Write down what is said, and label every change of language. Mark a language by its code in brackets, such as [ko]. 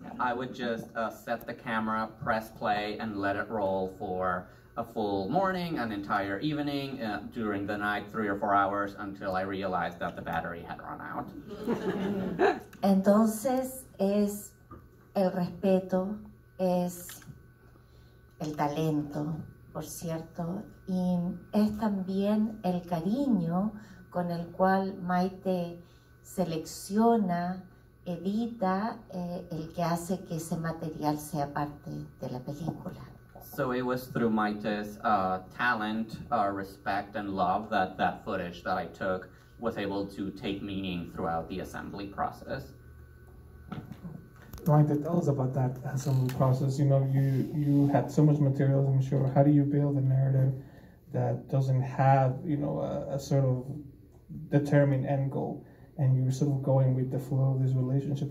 [en] I would just set the camera, press play and let it roll for a full morning, an entire evening, during the night, 3 or 4 hours, until I realized that the battery had run out. [es] Entonces, es el respeto, es el talento, por cierto, y es también el cariño con el cual Maite selecciona, edita, el que hace que ese material sea parte de la película. [en] So it was through Maite's talent, respect, and love that that footage that I took was able to take meaning throughout the assembly process. Maite, tell us about that assembly process. You know, you had so much material, I'm sure. How do you build a narrative that doesn't have, you know, a sort of determined end goal, and you're sort of going with the flow of this relationship?